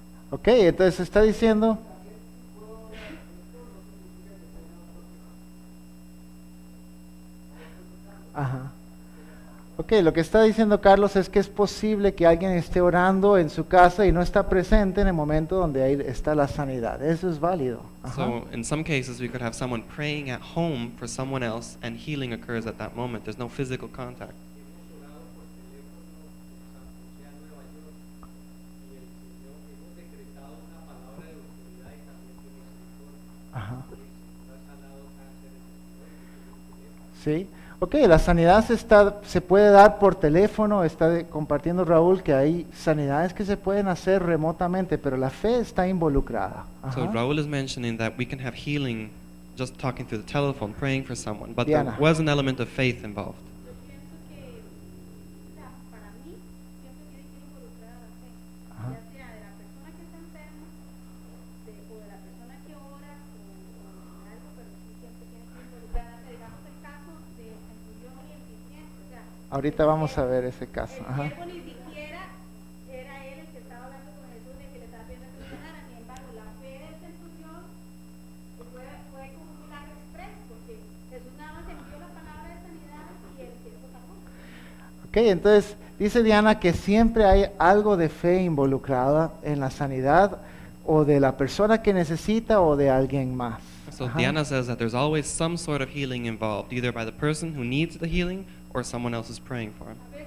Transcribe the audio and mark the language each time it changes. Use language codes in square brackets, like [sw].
[es] Ok, entonces está diciendo, ok, lo que está diciendo Carlos es que es posible que alguien esté orando en su casa y no está presente en el momento donde ahí está la sanidad. Eso es válido. [en] So in some cases we could have someone praying at home for someone else and healing occurs at that moment. There's no physical contact. [es] Sí. Okay, la sanidad se puede dar por teléfono, está compartiendo Raúl que hay sanidades que se pueden hacer remotamente, pero la fe está involucrada. [en] Uh-huh. So Raúl is mentioning that we can have healing just talking through the telephone, praying for someone, but Diana, there was an element of faith involved. [es] Ahorita vamos a ver ese caso. Ajá. El siervo ni siquiera era él el que estaba hablando con Jesús, el que le estaba pidiendo que sanara. Sin embargo, la fe del centurión fue como un milagro expreso, porque Jesús nada más envió la palabra de sanidad y el siervo sanó. Okay, entonces dice Diana que siempre hay algo de fe involucrada en la sanidad o de la persona que necesita o de alguien más. So ajá. [en] Diana says that there's always some sort of healing involved, either by the person who needs the healing or someone else is praying for him.